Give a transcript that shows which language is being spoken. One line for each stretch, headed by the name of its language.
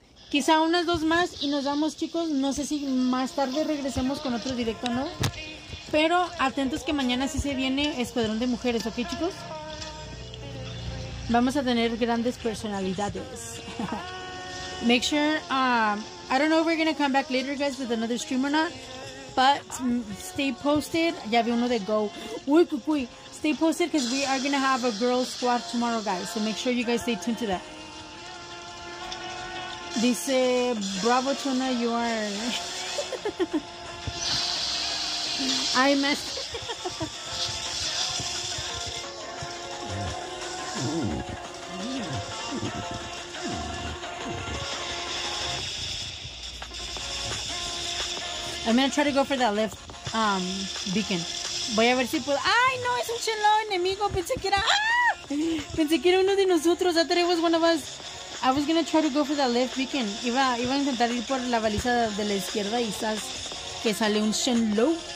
Spanish: Quizá unas dos más y nos vamos, chicos. No sé si más tarde regresemos con otro directo o no. Pero atentos que mañana sí se viene Escuadrón de Mujeres, ¿ok, chicos? Vamos a tener grandes personalidades.
English: Make sure, I don't know if we're going to come back later, guys, with another stream or not, but stay posted.
Spanish: Ya vi uno de Go. Uy, cucuy.
English: Stay posted because we are going to have a girls squad tomorrow, guys. So make sure you guys stay tuned to that.
Spanish: Dice, bravo, Chona,
English: you are... I messed. I'm gonna try to go for that left beacon.
Spanish: Voy a ver si puedo. Ay, no, es un chelo enemigo. Pensé que era. ¡Ah! Pensé que era uno de nosotros.
English: I thought it was one of us. I was gonna try to go for that left beacon.
Spanish: Iba a intentar ir por la baliza de la izquierda y quizás que sale un chelo.